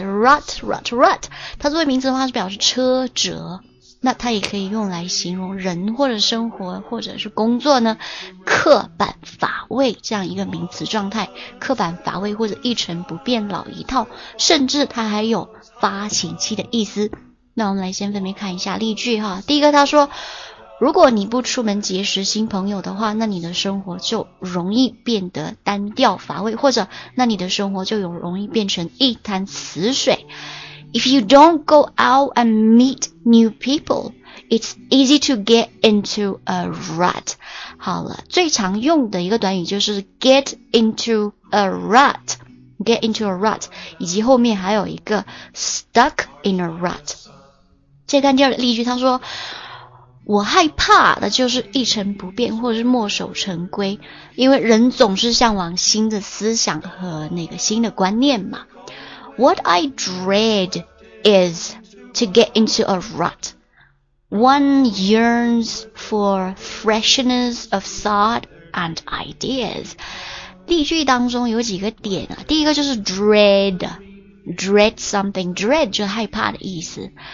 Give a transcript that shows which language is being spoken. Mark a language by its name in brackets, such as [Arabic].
[Chinese] RUT RUT RUT 它作为名字的话是表示车辙，那它也可以用来形容人或者生活或者是工作呢，刻板乏味这样一个名词状态，刻板乏味或者一成不变老一套，甚至它还有发情期的意思。那我们来先分别看一下例句哈。第一个他说，如果你不出门结识新朋友的话，那你的生活就容易变得单调乏味，或者那你的生活就有容易变成一滩死水。 [English] If you don't go out and meet new people, it's easy to get into a rut. [Chinese] 好了，最常用的一个短语就是 [English] get into a rut, get into a rut, [Chinese] 以及后面还有一个 [English] stuck in a rut. [Chinese] 再看第二个例句，他说，我害怕的就是一成不变或者是墨守成规，因为人总是向往新的思想和那个新的观念嘛。 [English] What I dread is to get into a rut. One yearns for freshness of thought and ideas. [Chinese] 例句当中有几个点啊，第一个就是 dread, dread something, dread 就是害怕的意思。